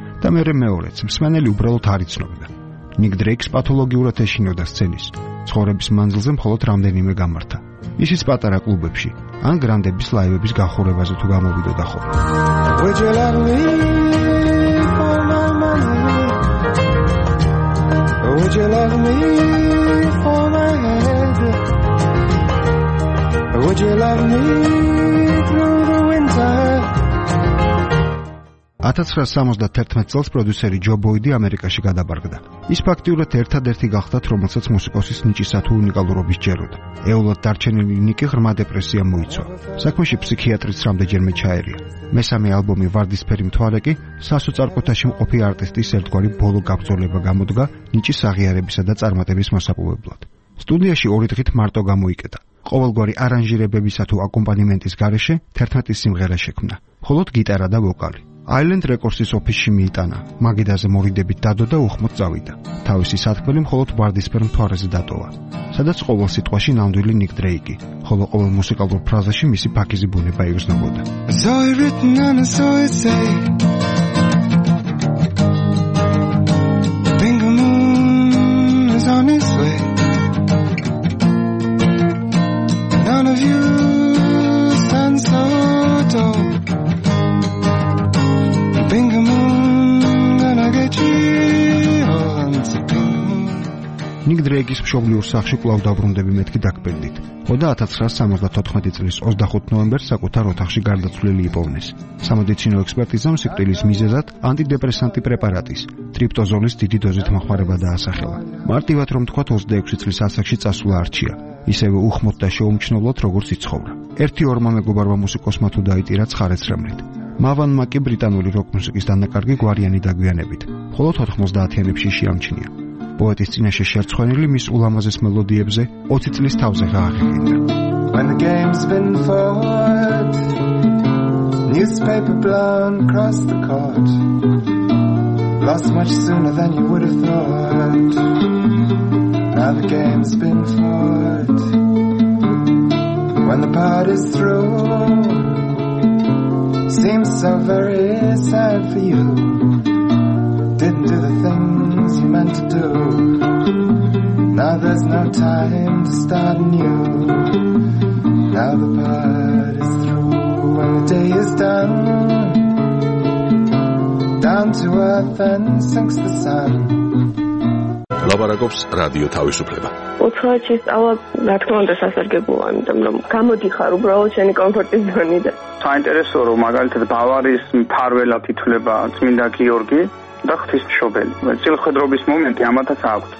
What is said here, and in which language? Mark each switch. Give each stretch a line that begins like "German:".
Georgian: და მერე მეორეც, მსმენელი უბრალოდ არ იცნობდა. ნიკ დრეიკს პათოლოგიურად ეშინოდა სცენის. ცხოვრების მანძილზე მხოლოდ რამდენიმე გამართა. ისიც პატარა კლუბებში, ან გრანდების ლაივების გახურებაზე თუ გამოვიდოდა ხო.
English: Would you love me for my head? Would you love me through the winter?
Georgian: 1971 წელს პროდიუსერი ჯო ბოიდი ამერიკაში გადაბარგდა. ის ფაქტიურად ერთადერთი გახლდათ, რომელსაც მუსიკოსის ნიჭისა თუ უნიკალურობის ჯეროდა. ეულად დარჩენილი ნიკი ღრმა დეპრესია მოიცვა. საქმეში ფსიქიატრის რამდენჯერმე ჩაერია. მესამე ალბომი ვარდისფერი მთვარე კი სასოწარკვეთაში მყოფი არტისტის ერთგვარი ბოლო გაგრძელება გამოდგა ნიჭის აღიარებისა და წარმატების მოსაპოვებლად. სტუდიაში ორი დღით მარტო გამოიკეტა. ყოველგვარი არანჟირებებისა თუ აკომპანიმენტის გარეშე 11 სიმღერა შექმნა, მხოლოდ გიტარა და ვოკალი. Island Records-ის ოფისში მიიტანა, მაგიდაზე მორიდებით დადო და უხმოდ წავიდა. თავისი სათქმელი მხოლოდ ვარდისფერ მთვარეზე დატოვა, სადაც ყოველ სიტყვაში ნამდვილი ნიკ დრეიკი, ხოლო ყოველ მუსიკალურ ფრაზაში მისი ფაქიზი ბუნება იგრძნობოდა.
English: So I written and so I say Bingo moon is on its way None of you stand so tall
Georgian: ნიკ დრეიკის მშობლიურ სახლში კვლავ დაბრუნდები მეთქი დაკბედით. ოდა 1974 წლის 25 ნოემბერს საკუთარ ოთახში გარდაცვლილი იპოვნეს. სამედიცინო ექსპერტიზამ სიკვდილის მიზეზად ანტიდეპრესანტი პრეპარატის, ტრიპტოზოლის დიდი დოზით მოხმარება დაასახელა. მარტივად რომ თქვათ, 26 წლის ასაკში წასულა არჩია. ისევე უხმოდ და შეუმჩნევლად როგორც იცხოვრა. ერთი ორმა მეგობარმა მუსიკოსმა თუ დაიტირა ცხარეცრემლით. მავან მაკი ბრიტანული როკ მუსიკის დანაკარგი გვარიანი დაგვიანებით, ხოლო 90-იანებში შეამჩნია. პოეტის წინაშე შერცხვენილი მის ულამაზეს მელოდიებზე 20 წლის თავზე გააღიქვა.
English: When the game's been fought Newspaper blown across the court Lost much sooner than you would have thought Now the game's been fought When the part is through Seems so very sad for you Didn't do the things you meant to do Now there's no time to start anew Now the part is through When the day is done Down to earth and sinks the sun
Georgian: ლაბარაკობს რადიო თავისუფლება. უცხოეთში სწავლა, რა თქმა უნდა, სასარგებლოა, ამიტომ რომ გამოდიხარ უბრალოდ შენი კომფორტის ზონიდან. საინტერესო რომ მაგალითად ბავარიის მფარველად ითვლება წმინდა გიორგი და ღვთისმშობელი. წილხვედრობის მომენტი ამათაც აქვს.